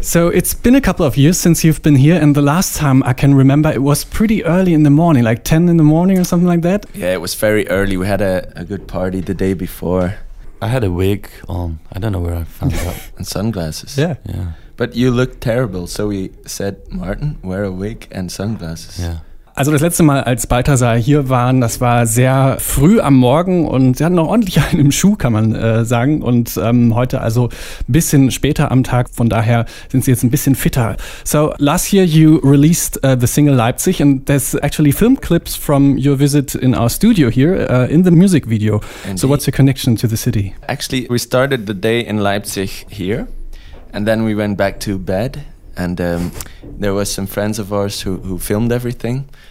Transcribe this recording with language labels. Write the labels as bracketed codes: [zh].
[en] So it's been a couple of years since you've been here. And the last time I can remember, it was pretty early in the morning, like 10 in the morning or something like that. Yeah, it was very early. We had a good party the day before. I had a wig on. I don't know where I found that. And sunglasses. Yeah. Yeah. But you look terrible. So we said, Martin, wear a wig and sunglasses. Yeah. [de] Also das letzte Mal, als Balthasar hier waren, das war sehr früh am Morgen und sie hatten noch ordentlich einen im Schuh, kann man sagen. Und heute also ein bisschen später am Tag, von daher sind sie jetzt ein bisschen fitter. [en] So last year you released the single Leipzig and there's actually film clips from your visit in our studio here in the music video. Indeed. So what's your connection to the city? Actually, we started the day in Leipzig here and then we went back to bed. And there were some friends of ours who filmed everything.